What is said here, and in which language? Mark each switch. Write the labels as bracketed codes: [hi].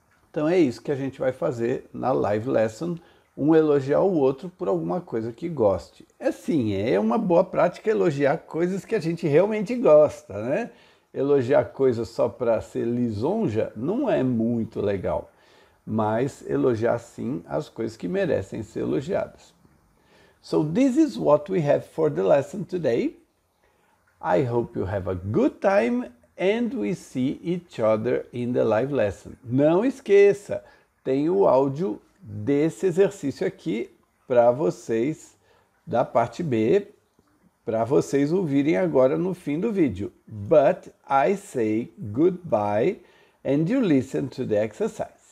[pt] Então, é isso que a gente vai fazer na live lesson. Um elogiar o outro por alguma coisa que goste. É sim, é uma boa prática elogiar coisas que a gente realmente gosta, né? Elogiar coisas só para ser lisonja não é muito legal. Mas elogiar sim as coisas que merecem ser elogiadas. [en] So this is what we have for the lesson today. I hope you have a good time and we see each other in the live lesson. [pt] Não esqueça, tem o áudio desse exercício aqui para vocês, da parte B, para vocês ouvirem agora no fim do vídeo. [en] But I say goodbye and you listen to the exercise.